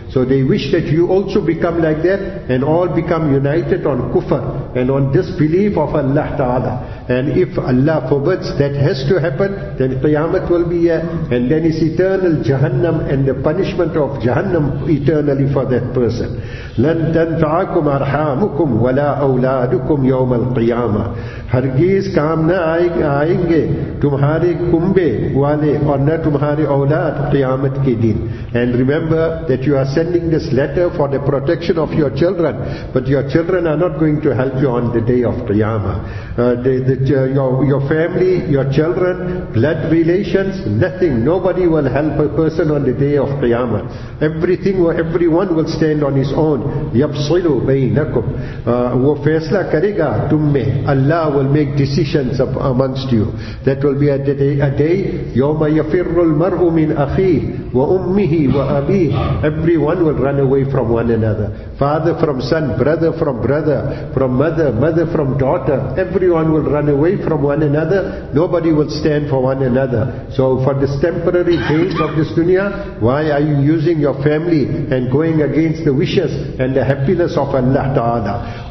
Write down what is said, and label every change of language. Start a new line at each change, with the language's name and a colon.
English: So they wish that you also become like that, and all become united on kufr, and on disbelief of Allah Ta'ala. And if Allah forbids that has to happen, then Qiyamah will be here, and then is eternal Jahannam, and the punishment of Jahannam eternally for that person.
Arabic: لَن تَنْفَعَكُمْ أَرْحَامُكُمْ وَلَا أَوْلَادُكُمْ يَوْمَ الْقِيَامَةِ.
Urdu: ہرگیز کام نہ آئیں گے تمہارے کنبے والے اور نہ تمہارے اولاد قیامت کے دن.
English: And remember that you are sending this letter for the protection of your children, but your children are not going to help you on the day of Qiyamah. Your family, your children, blood relations, nothing. Nobody will help a person on the day of Qiyamah. Everyone will stand on his own.
Arabic: يَبْصِلُ بَيْنَكُمْ.
Urdu: وہ فیصلہ کرے گا تم میں.
English: Allah will make decisions amongst you. That will be a day
Arabic: يَوْمَ يَفِرُّ الْمَرْءُ مِنْ أَخِيهِ وَأُمِّهِ وَأَبِيهِ.
English: Everyone will run away from one another. Father from son, brother from brother, from mother, mother from daughter. Everyone will run run away from one another, nobody will stand for one another. So for this temporary gains of this dunya, why are you using your family and going against the wishes and the happiness of Allah Ta'ala?